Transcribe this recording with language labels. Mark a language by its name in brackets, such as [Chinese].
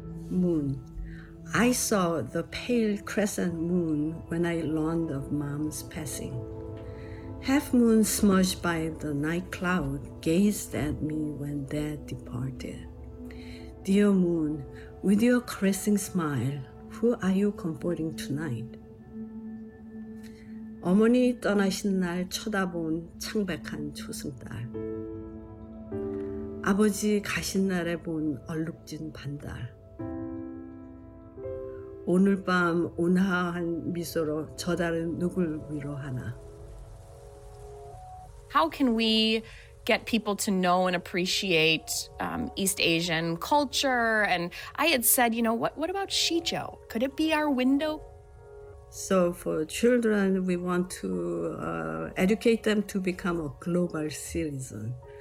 [English] Moon. I saw the pale crescent moon when I learned of mom's passing. Half moon smudged by the night cloud gazed at me when dad departed. Dear moon, with your caressing smile, who are you comforting tonight? [Korean] 어머니 떠나신 날 쳐다본 창백한 초승달. 아버지 가신 날에 본 얼룩진 반달. 오늘 밤 온화한 미소로 저 달은 누굴 위로하나? [English] How can we get people to know and appreciate East Asian culture? And I had said, you know, what about Shijo? Could it be our window? So for children, we want to educate them to become a global citizen.